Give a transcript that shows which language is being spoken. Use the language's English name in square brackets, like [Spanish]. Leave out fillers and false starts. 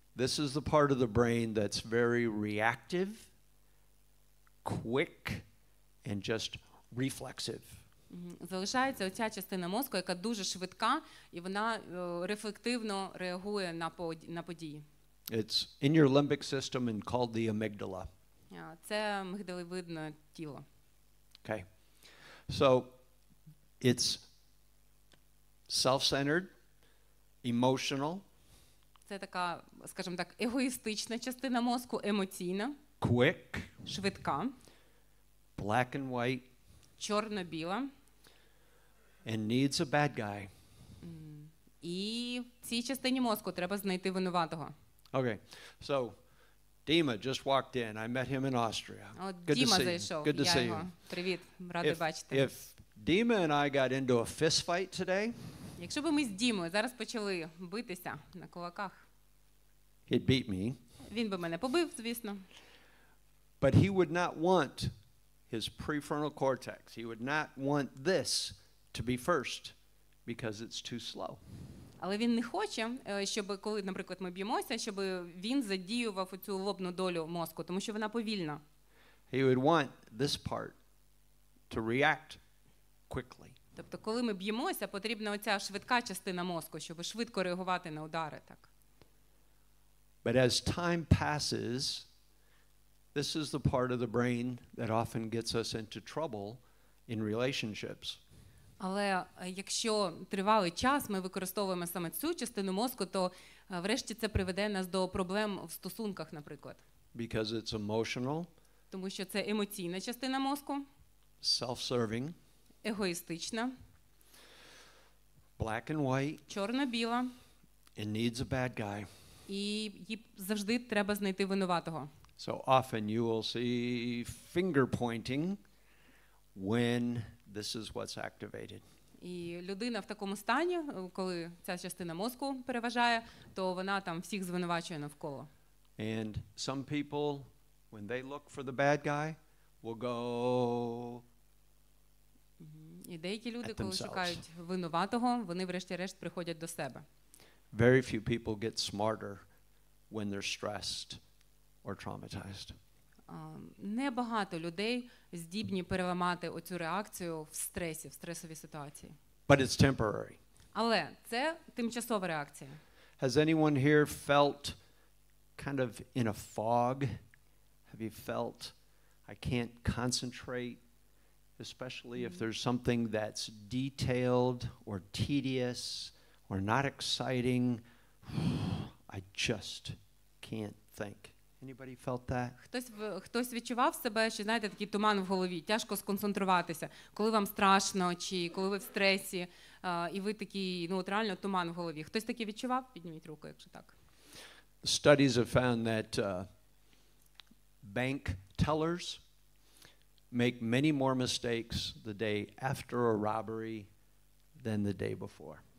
[English] This is the part of the brain that's very reactive, quick, and just reflexive. [Ukrainian] Залишається оця частина мозку, яка дуже швидка, і вона рефлективно реагує на події. [English] It's in your limbic system and called the amygdala. [Ukrainian] Це мигдалевидне тіло. [English] Okay. So, it's self-centered, emotional. [Ukrainian] Це така, скажімо так, егоїстична частина мозку, емоційна. [English] Quick. [Ukrainian] Швидка. [English] Black and white. [Ukrainian] Чорно-біла. [English] And needs a bad guy. [Ukrainian] І в цій частині мозку треба знайти винуватого. [English] Okay. So Dima just walked in. I met him in Austria. Good Dima to see you. Good to see you. [Ukrainian] Привіт. Радий бачити. [English] If Dima and I got into a fist fight today, [Ukrainian] якщо б ми з Дімою зараз почали битися на кулаках, [English] he'd beat me. [Ukrainian] Він би мене побив, звісно. [English] But he would not want his prefrontal cortex. He would not want this to be first, because it's too slow. [Ukrainian] Але він не хоче, щоб коли, наприклад, ми б'ємося, щоб він задіював цю лобну долю мозку, тому що вона повільна. [English] He would want this part to react quickly. [Ukrainian] Тобто, коли ми б'ємося, потрібна оця швидка частина мозку, щоб швидко реагувати на удари, так. [English] But as time passes, this is the part of the brain that often gets us into trouble in relationships. [Ukrainian] Але якщо тривалий час ми використовуємо саме цю частину мозку, то врешті це приведе нас до проблем в стосунках, наприклад. [English] Because it's emotional. [Ukrainian] Тому що це емоційна частина мозку. [English] Self-serving. [Ukrainian] Егоїстична. [English] Black and white. [Ukrainian] Чорно-біла. [English] It needs a bad guy. [Ukrainian] І їй завжди треба знайти винуватого. [English] So often you will see finger pointing when this is what's activated. [Ukrainian] І людина в такому стані, коли ця частина мозку переважає, то вона там всіх звинувачує навколо. [English] And some people, when they look for the bad guy, will go [Ukrainian] І деякі люди, коли шукають винуватого, вони врешті-решт приходять до себе. [English] Very few people get smarter when they're stressed or traumatized. [Ukrainian] Небагато людей здібні переламати оцю реакцію в стресі, в стресовій ситуації. [English] But it's temporary. [Ukrainian] Але це тимчасова реакція. [English] Has anyone here felt kind of in a fog? Have you felt I can't concentrate, especially if there's something that's detailed or tedious or not exciting? I just can't think. Anybody felt that? [Ukrainian] Хтось відчував себе, що, знаєте, такий туман в голові, тяжко сконцентруватися, коли вам страшно чи коли ви в стресі, і ви такий, ну, от реально туман в голові. Хтось таке відчував? Підніміть руку, якщо так. [English] Studies have found that bank tellers make many more mistakes the day after a robbery than the day before.